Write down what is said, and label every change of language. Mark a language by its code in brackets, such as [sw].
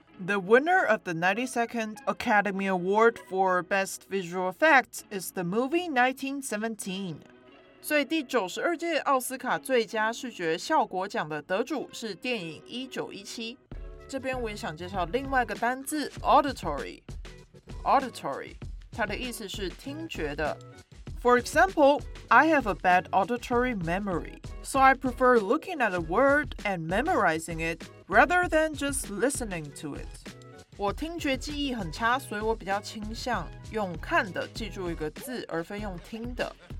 [en] The winner of the 92nd Academy Award for Best Visual Effects is the movie 1917。 [zh] 所以第92届奥斯卡最佳视觉效果奖的得主是电影1917。这边我也想介绍另外一个单字 auditory。Auditory， 它的意思是听觉的。 [en] For example, I have a bad auditory memory, so I prefer looking at a word and memorizing it rather than just listening to it. [zh] 我听觉记忆很差，所以我比较倾向用看的记住一个字，而非用听的。